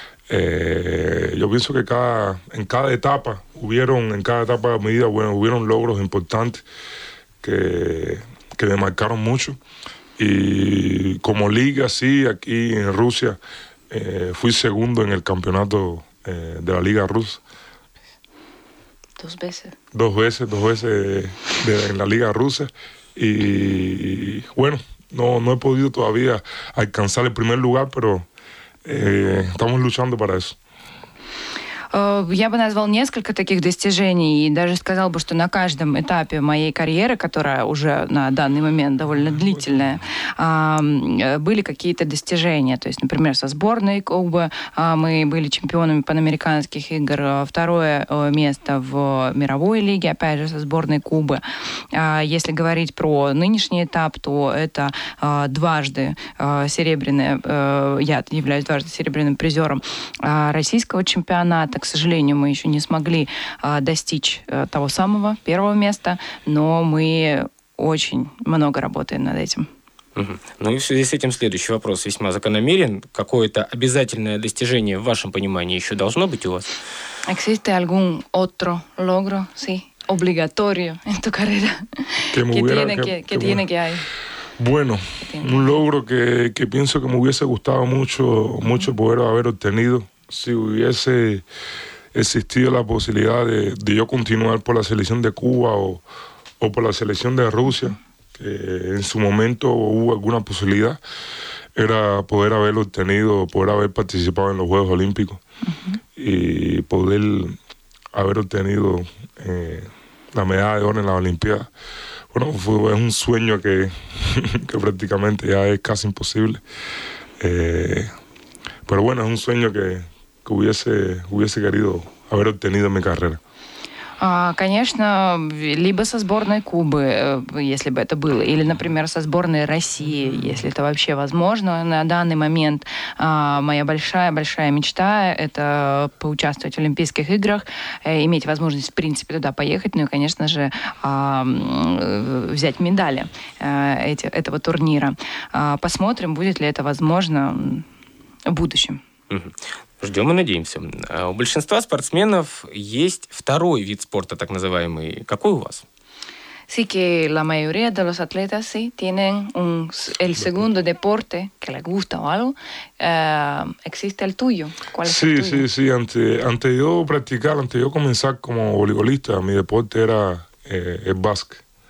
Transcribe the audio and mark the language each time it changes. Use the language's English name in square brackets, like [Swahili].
[Spanish] Yo pienso que en cada etapa de mi vida, hubieron logros importantes que me marcaron mucho, y como liga, sí, aquí en Rusia, fui segundo en el campeonato de la Liga Rusa. Dos veces en la Liga Rusa, y bueno, no he podido todavía alcanzar el primer lugar, pero estamos luchando para eso. [Russian] Я бы назвал несколько таких достижений и даже сказал бы, что на каждом этапе моей карьеры, которая уже на данный момент довольно длительная, были какие-то достижения. То есть, например, со сборной Кубы мы были чемпионами панамериканских игр. Второе место в мировой лиге, опять же, со сборной Кубы. Если говорить про нынешний этап, то это дважды серебряное. Я являюсь дважды серебряным призером российского чемпионата. К сожалению, мы еще не смогли достичь того самого первого места, но мы очень много работаем над этим. Ну и в связи с этим следующий вопрос весьма закономерен. Какое-то обязательное достижение в вашем понимании еще должно быть у вас? [Spanish] Existe algún otro logro, sí, obligatorio en tu carrera? ¿Qué tiene que hay? Bueno, un logro que pienso que me hubiese gustado mucho poder haber obtenido. Si hubiese existido la posibilidad de yo continuar por la selección de Cuba o por la selección de Rusia, que en su momento hubo alguna posibilidad, era poder haberlo obtenido, poder haber participado en los Juegos Olímpicos uh-huh. y poder haber obtenido la medalla de oro en la Olimpiada. Bueno, es un sueño que prácticamente ya es casi imposible. Pero bueno, es un sueño que hubiese querido haber obtenido en mi carrera. [Russian] Конечно, либо со сборной Кубы, если бы это было, или, например, со сборной России, если это вообще возможно. На данный момент моя большая-большая мечта – это поучаствовать в Олимпийских играх, иметь возможность, в принципе, туда поехать, ну и, конечно же, взять медали этого турнира. Посмотрим, будет ли это возможно в будущем. Ждем и надеемся. У большинства спортсменов есть второй вид спорта, так называемый. Какой у вас? [Spanish] Sí, que la mayoría de los atletas sí tienen el segundo deporte que les gusta o algo. ¿Existe el tuyo? ¿Cuál es sí, el tuyo? Sí, sí, sí. Antes de yo comenzar como voleibolista, mi deporte era el básquet.